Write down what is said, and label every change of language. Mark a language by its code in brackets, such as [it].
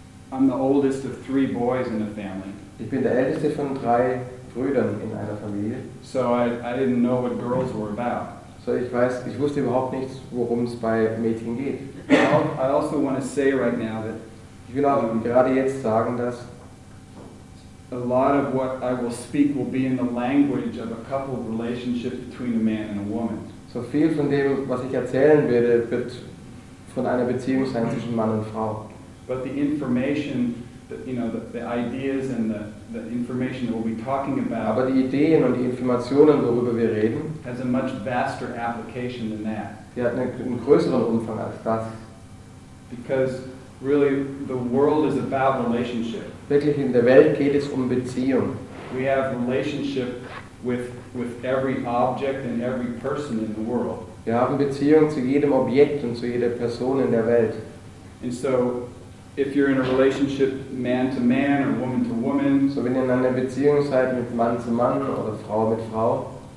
[en] I'm the oldest of three boys in the family. [de] Ich bin der älteste von drei Brüdern in einer Familie. [en] So I didn't know what girls were about. [de] So ich wusste überhaupt nichts, worum es bei Mädchen geht. [en] I also want to say right now that [de] Ich will auch gerade jetzt sagen, dass [en] a lot of what I will speak will be in the language of a couple relationship between a man and a woman. [de] So viel von dem, was ich erzählen werde, wird von einer Beziehung sein zwischen Mann und Frau. [en] But the information, the ideas and the information that we'll be talking about. [de] Aber die Ideen und die Informationen, worüber wir reden, [en] has a much vaster application than that. [de] Die hat einen größeren Umfang als das. [en] Because really, the world is about relationship. [de] Wirklich, in der Welt geht es um Beziehung. [en] We have relationship with every object and every person in the world. [de] Wir haben Beziehung zu jedem Objekt und zu jeder Person in der Welt. [en] And so, if you're in a relationship man to man or woman to woman, [de] so wenn ihr in einer Beziehung seid mit Mann zu Mann oder Frau mit Frau,